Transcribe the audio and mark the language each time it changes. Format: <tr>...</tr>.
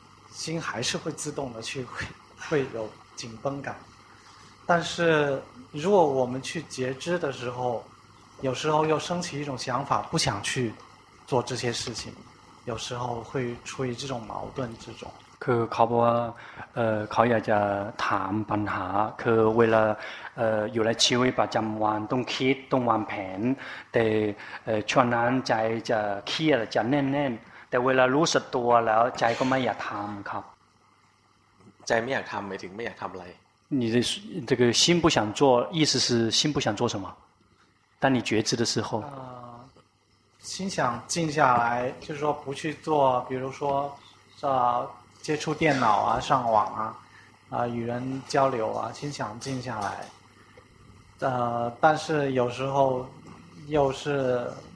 <zh>心还是会自动的去会有紧绷感但是如果我们去觉知的时候有时候又升起一种想法不想去做这些事情有时候会出于这种矛盾之中</zh> <th>คือเขาบอกว่าเขาอยากจะถามปัญหาคือเวลาอยู่ในชีวิตประจำวันต้องคิดต้องวางแผนแต่ช่วงนั้นใจจะเครียดจะแน่นๆแต่เวลารู้สึกตัวแล้วใจก็ไม่อยากทำครับ ใจไม่อยากทำหมายถึงไม่อยากทำอะไร</th> <zh>你的这个心不想做意思是心不想做什么当你觉知的时候心想静下来就是说不去做比如说接触电脑啊上网啊与人交流啊心想静下来但是有时候又是</zh>